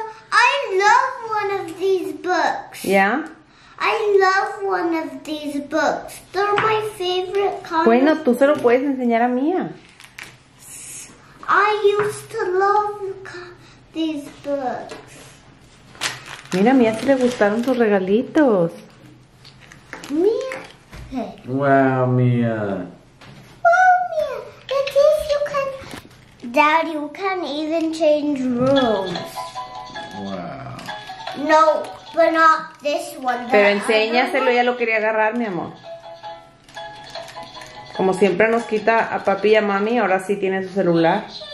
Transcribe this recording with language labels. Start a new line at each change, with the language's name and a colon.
English: I love one of these books. Yeah? I love one of these books. They're my favorite comics.
Spanish: Bueno, tú se lo puedes enseñar a Mía.
English: I used to love these books.
Spanish: Mira, Mía, si le gustaron tus regalitos. Mía. Wow, Mía.
English: Wow, Mía. The case you can... Dad, you can even change rooms. Wow. No, but not this one.
Spanish: Pero enséñaselo, ya lo quería agarrar, mi amor. Como siempre nos quita a papi y a mami, ahora sí tiene su celular.